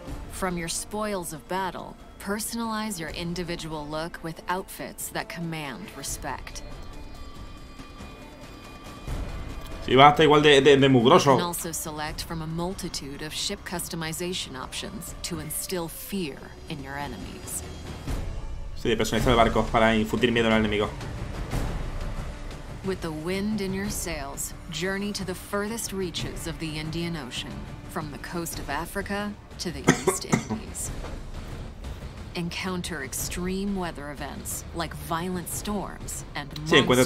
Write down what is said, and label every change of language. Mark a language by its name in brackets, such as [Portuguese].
[English] From your spoils of battle, personalize your individual look with outfits that command respect. [Spanish] Si va a estar igual de mugroso. [English] You can also select from a multitude of ship customization options to instill fear in your enemies. [Spanish] Sí, de personalizar el barco para infundir miedo al enemigo. [English] With the wind in your sails, journey to the furthest reaches of the Indian Ocean, from the coast of Africa to the East Indies. Encounter extreme weather events like violent storms and monstrous